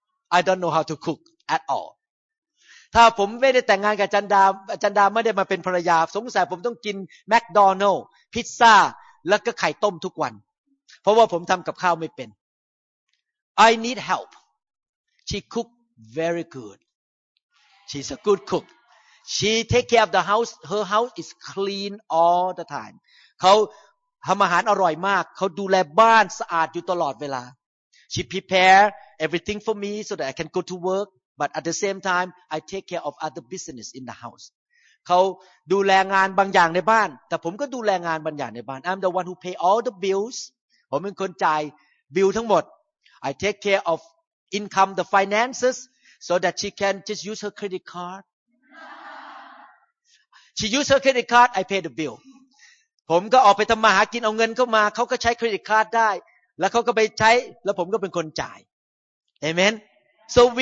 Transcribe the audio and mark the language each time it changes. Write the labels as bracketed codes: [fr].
[en] I don't know how to cook at all. [th] ถ้าผมไม่ได้แต่งงานกับจันดาจันดาไม่ได้มาเป็นภรรยาสงสัยผมต้องกิน McDonald's, pizza แล้วก็ไข่ต้มทุกวันเพราะว่าผมทำกับข้าวไม่เป็น [en] I need help. She cook very good. She's a good cook. She take care of the house. Her house is clean all the time. [th] เขาทำอาหารอร่อยมากเขาดูแลบ้านสะอาดอยู่ตลอดเวลา [en] She prepare everything for me so that I can go to work. But at the same time, I take care of other business in the house. [th] เขาดูแลงานบางอย่างในบ้านแต่ผมก็ดูแลงานบางอย่างในบ้าน [en] I'm the one who pay all the bills. [th] ผมเป็นคนจ่ายบิลทั้งหมด [en] I take care ofincome the finances so that she can just use her credit card she use her credit card I pay the bill [th] ผมก็ออกไปทํามาหากินเอาเงินเข้ามาเค้าก็ใช้เครดิตการ์ดได้แล้วเค้าก็ไปใช้แล้วผมก็เป็นคนจ่ายอาเมน so